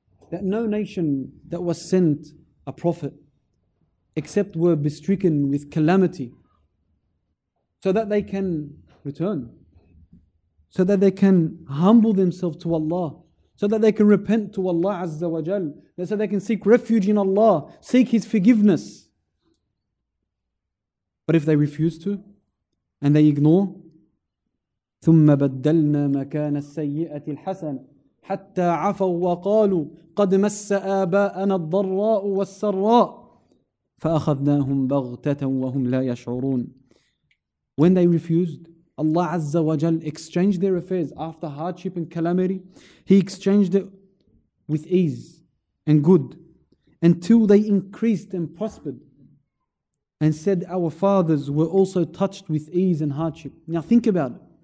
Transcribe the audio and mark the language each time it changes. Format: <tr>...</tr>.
<en>That no nation that was sent a prophet except were bestricken with calamity, so that they can return, so that they can humble themselves to Allah, so that they can repent to Allah Azza wa Jal, so they can seek refuge in Allah, seek His forgiveness. But if they refuse to, and they ignore,</en> <ar>ثُمَّ بَدَّلْنَا مَكَانَ السَّيِّئَةِ الْحَسَنَ حتى عفوا وقالوا قد مس آباءنا الضراء والسراء فأخذناهم بغتة وهم لا يشعرون.</ar> <en>When they refused, Allah Azza wa Jal exchanged their affairs after hardship and calamity. He exchanged it with ease and good until they increased and prospered and said, our fathers were also touched with ease and hardship. Now think about it.</en>